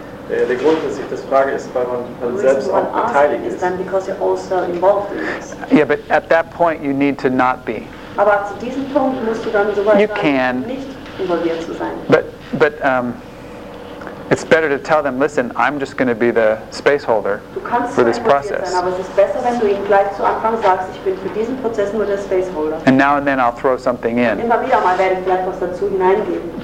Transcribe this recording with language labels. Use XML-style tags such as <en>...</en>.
<de>Der Grund, dass ich das frage, ist, weil man selbst auch beteiligt ist.</de> <en>Then because you're also involved in this. Yeah, but at that point you need to not be.</en> <de>Aber zu diesem Punkt musst du dann soweit</de> <en>you can,</en> <de>nicht involviert zu sein.</de> <en>But it's better to tell them, listen, I'm just going to be the space holder for this process. And now and then I'll throw something in.</en>